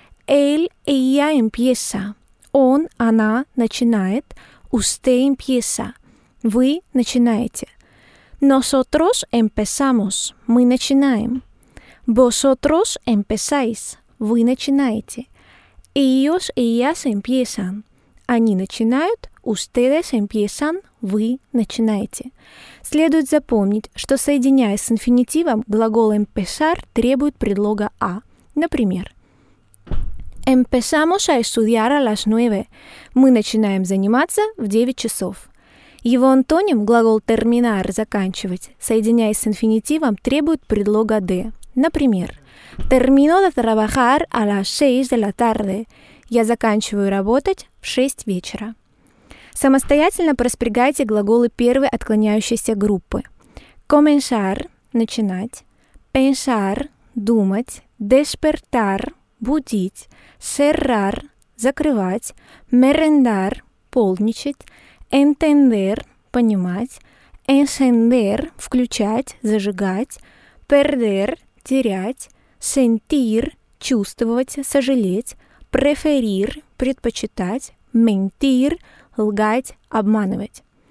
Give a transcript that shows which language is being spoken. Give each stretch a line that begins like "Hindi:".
Spanish: «Él, ella empieza» –
Russian: «он, она начинает».
Spanish: «Usted empieza» –
Russian: «Вы начинаете».
Spanish: «Nosotros empezamos» –
Russian: «мы начинаем».
Spanish: «Vosotros empezáis» –
Russian: «вы начинаете».
Spanish: «Ellos, ellas empiezan» –
Russian: «они начинают».
Spanish: «Ustedes empiezan»
Russian: – «вы начинаете». Следует запомнить, что соединяясь с инфинитивом, глагол «empezar» требует предлога «a». Например,
Spanish: «Empezamos a estudiar a las 9»
Russian: – «мы начинаем заниматься в 9 часов». Его антоним, глагол terminar, заканчивать, соединяясь с инфинитивом, требует предлога de. Например,
Spanish: termino de trabajar a las 6 de la tarde.
Russian: Я заканчиваю работать в 6 вечера. Самостоятельно проспрягайте глаголы первой отклоняющейся группы. Comenzar – начинать. Pensar – думать. Despertar – будить. Cerrar – закрывать, merendar, полничать, entender, понимать, encender, включать, зажигать, perder, терять, sentir, чувствовать, сожалеть, preferir, предпочитать, mentir, лгать, обманывать.